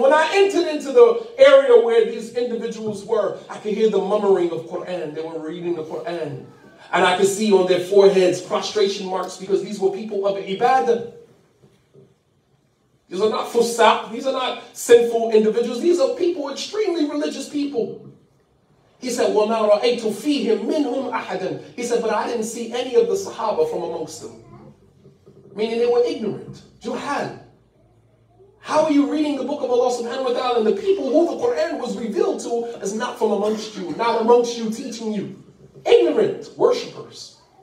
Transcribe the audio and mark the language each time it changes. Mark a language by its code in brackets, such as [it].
[en] When I entered into the area where these individuals were, I could hear the murmuring of Qur'an. They were reading the Qur'an. And I could see on their foreheads prostration marks because these were people of ibadah. These are not fusaq. These are not sinful individuals. These are people, extremely religious people. He said, [ar] وَمَا رَأَيْتُ فِيهِمْ مِنْهُمْ أَحَدًا. [en] He said, but I didn't see any of the sahaba from amongst them. Meaning they were ignorant. Juhal. How are you reading the book of Allah subhanahu wa ta'ala and the people who the Quran was revealed to is not from amongst you, not amongst you teaching you? Ignorant worshippers.